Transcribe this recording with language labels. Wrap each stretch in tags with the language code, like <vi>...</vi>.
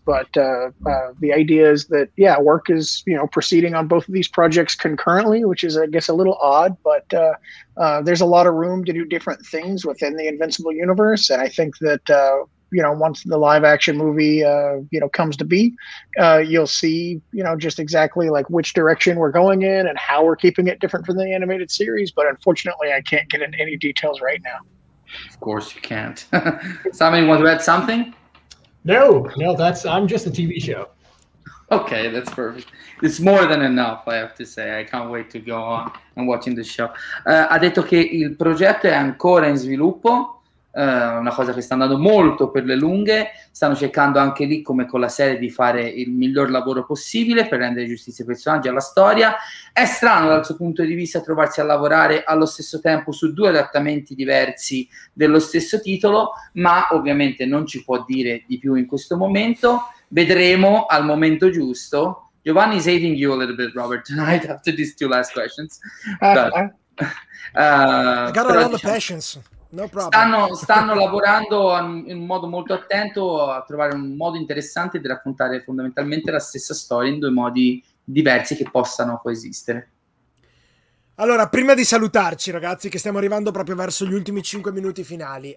<en>But the idea is that work is proceeding on both of these projects concurrently, which is I guess a little odd, but there's a lot of room to do different things within the Invincible universe, and I think that once the live action movie, comes to be, you'll see, just exactly like which direction we're going in and how we're keeping it different from the animated series. But unfortunately, I can't get into any details right now. Of course you can't. Simon, you want to add something? No, that's, I'm just a TV show. Okay, that's perfect. It's more than enough, I have to say. I can't wait to go on and watching the show.</en> <it>Ha detto che il progetto è ancora in sviluppo. Una cosa che sta andando molto per le lunghe, stanno cercando anche lì, come con la serie, di fare il miglior lavoro possibile per rendere giustizia ai personaggi e alla storia. È strano dal suo punto di vista trovarsi a lavorare allo stesso tempo su due adattamenti diversi dello stesso titolo, ma ovviamente non ci può dire di più in questo momento. Vedremo al momento giusto.</it> <en>Giovanni is hating you a little bit, Robert, tonight after these two last questions. I got a lot of patience. No problem.</en> <it>Stanno lavorando in un modo molto attento a trovare un modo interessante di raccontare fondamentalmente la stessa storia in due modi diversi che possano coesistere. Allora, prima di salutarci, ragazzi, che stiamo arrivando proprio verso gli ultimi 5 minuti finali.</it>